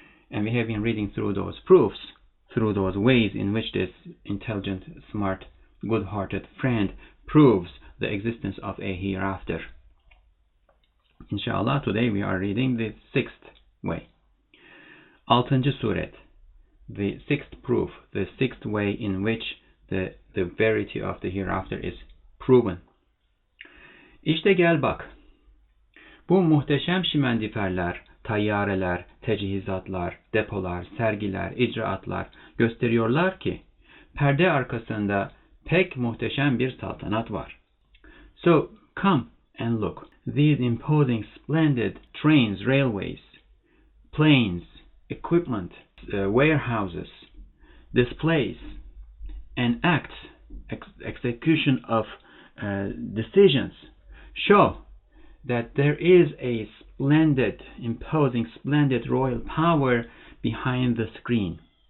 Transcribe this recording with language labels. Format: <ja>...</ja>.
<en>And we have been reading through those proofs, through those ways in which this intelligent, smart, good-hearted friend proves the existence of a hereafter. Inshallah, today we are reading the sixth way.</en> <tr>Altıncı suret,</tr> <en>the sixth proof, the sixth way in which the verity of the hereafter is proven.</en> <tr>İşte gel bak. Bu muhteşem şimendiferler tayyareler, tecihizatlar, depolar, sergiler, icraatlar gösteriyorlar ki, perde arkasında pek muhteşem bir saltanat var.</tr> <en>So, come and look. These imposing splendid trains, railways, planes, equipment, warehouses, displays, and acts, execution of decisions show that there is a splendid, imposing, splendid royal power behind the screen.</en>